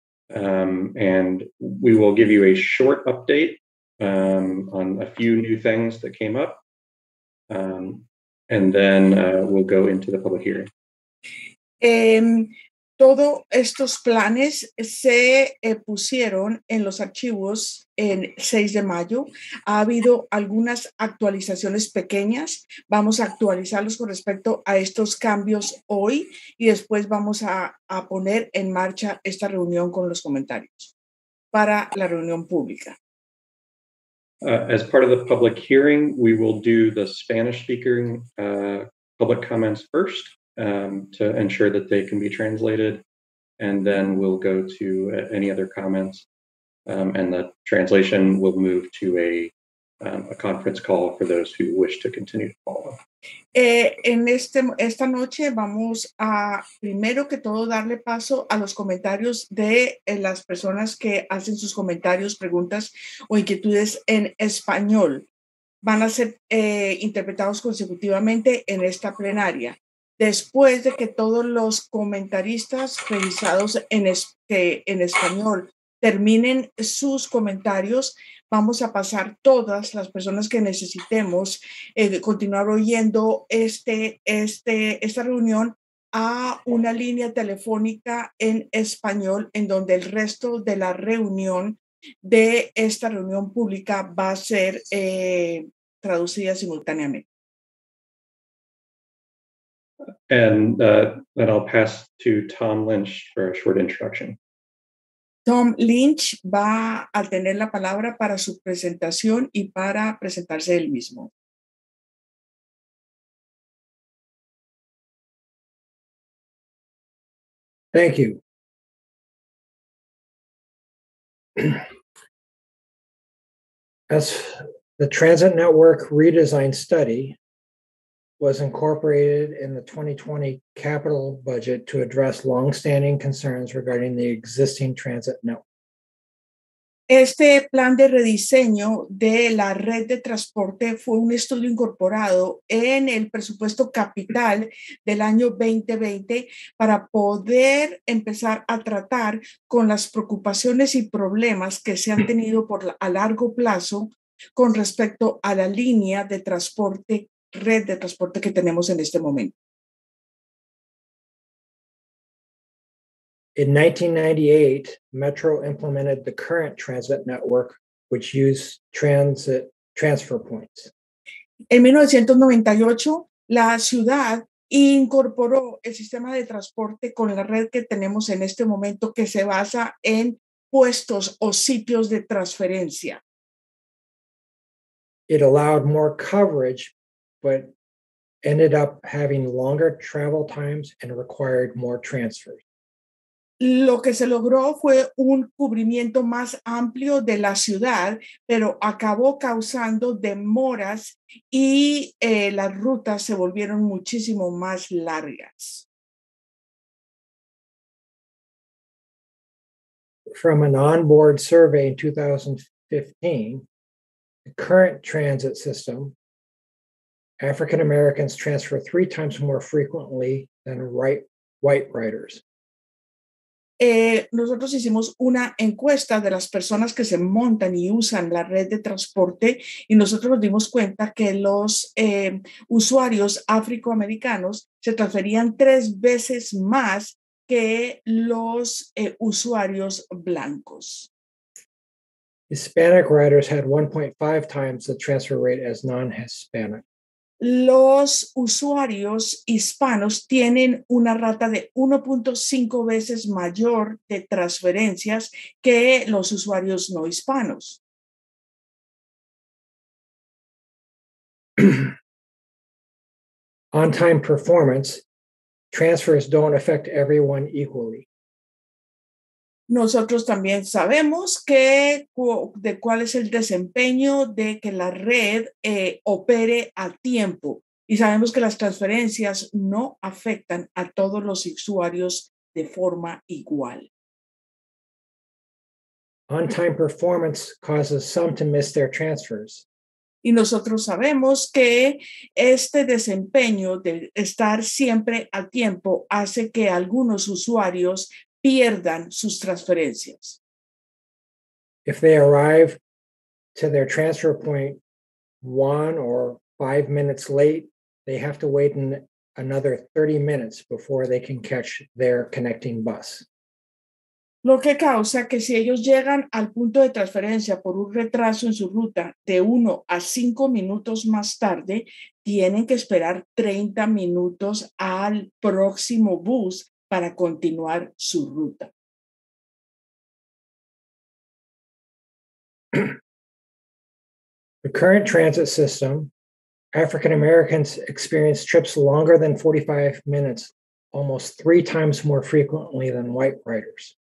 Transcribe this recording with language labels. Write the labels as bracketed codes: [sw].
[en] And we will give you a short update on a few new things that came up. And then we'll go into the public hearing. [es] Todos estos planes se pusieron en los archivos en 6 de mayo. Ha habido algunas actualizaciones pequeñas. Vamos a actualizarlos con respecto a estos cambios hoy y después vamos a poner en marcha esta reunión con los comentarios para la reunión pública. [en] As part of the public hearing, we will do the Spanish-speaking public comments first to ensure that they can be translated, and then we'll go to any other comments, and the translation will move to a conference call for those who wish to continue to follow. [es] Esta noche vamos a primero que todo darle paso a los comentarios de las personas que hacen sus comentarios, preguntas o inquietudes en español. Van a ser interpretados consecutivamente en esta plenaria. Después de que todos los comentaristas revisados en español terminen sus comentarios, vamos a pasar todas las personas que necesitemos continuar oyendo esta reunión a una línea telefónica en español, en donde el resto de la reunión de esta reunión pública va a ser traducida simultáneamente. [en] And I'll pass to Tom Lynch for a short introduction. [es] Tom Lynch va a tener la palabra para su presentación y para presentarse él mismo. [en] Thank you. As the Transit Network Redesign Study was incorporated in the 2020 capital budget to address longstanding concerns regarding the existing transit network. [es] Este plan de rediseño de la red de transporte fue un estudio incorporado en el presupuesto capital del año 2020 para poder empezar a tratar con las preocupaciones y problemas que se han tenido a largo plazo con respecto a la línea de transporte, red de transporte que tenemos en este momento. [en] In 1998, Metro implemented the current transit network, which used transit transfer points. [es] En 1998, la ciudad incorporó el sistema de transporte con la red que tenemos en este momento, que se basa en puestos o sitios de transferencia. [en] It allowed more coverage, but ended up having longer travel times and required more transfers. [es] Lo que se logró fue un cubrimiento más amplio de la ciudad, pero acabó causando demoras y las rutas se volvieron muchísimo más largas. [en] From an onboard survey in 2015, the current transit system, African Americans transfer 3 times more frequently than white riders. [es] Nosotros hicimos una encuesta de las personas que se montan y usan la red de transporte y nosotros nos dimos cuenta que los usuarios afroamericanos se transferían 3 veces más que los usuarios blancos. [en] Hispanic riders had 1.5 times the transfer rate as non-Hispanic. [es] Los usuarios hispanos tienen una rata de 1.5 veces mayor de transferencias que los usuarios no hispanos. [en] On-time performance, transfers don't affect everyone equally. [es] Nosotros también sabemos que de cuál es el desempeño de que la red opere a tiempo. Y sabemos que las transferencias no afectan a todos los usuarios de forma igual. [en] On-time performance causes some to miss their transfers. [es] Y nosotros sabemos que este desempeño de estar siempre a tiempo hace que algunos usuarios pierdan sus transferencias. [en] If they arrive to their transfer point 1 or 5 minutes late, they have to wait another 30 minutes before they can catch their connecting bus. [es] Lo que causa que si ellos llegan al punto de transferencia por un retraso en su ruta de 1 a 5 minutos más tarde, tienen que esperar 30 minutos al próximo bus para continuar su ruta. [en] The current transit system, African Americans experience trips longer than 45 minutes, almost 3 times more frequently than white riders.